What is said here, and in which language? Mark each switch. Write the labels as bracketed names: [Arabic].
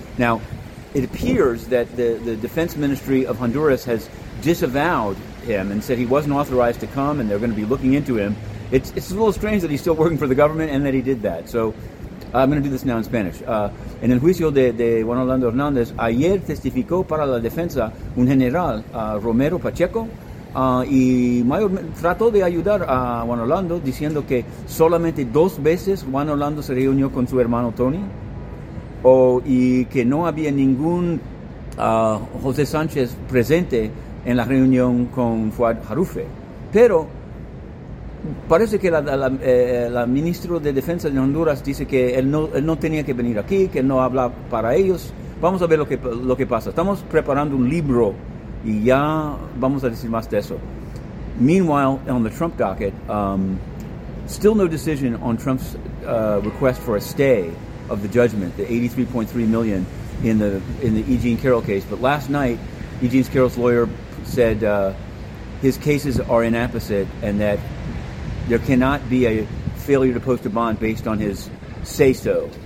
[English] Now, it appears that the defense ministry of Honduras has disavowed him and said he wasn't authorized to come and they're going to be looking into him. It's a little strange that he's still working for the government and that he did that. So I'm going to do this now in Spanish. [Spanish] En el juicio de Juan Orlando Hernández, ayer testificó para la defensa un general, Romero Pacheco, y mayor, trató de ayudar a Juan Orlando diciendo que solamente dos veces Juan Orlando se reunió con su hermano Tony y que no había ningún José Sánchez presente en la reunión con Fuad Harufe. Pero parece que la ministra de Defensa de Honduras dice que él no tenía que venir aquí, que no habla para ellos. Vamos a ver lo que pasa. Estamos preparando un libro y ya vamos a decir más de eso. [English] Meanwhile, on the Trump docket, still no decision on Trump's request for a stay of the judgment, the $83.3 million in the E. Jean Carroll case. But last night, E. Jean Carroll's lawyer said his cases are inapposite and that there cannot be a failure to post a bond based on his say-so.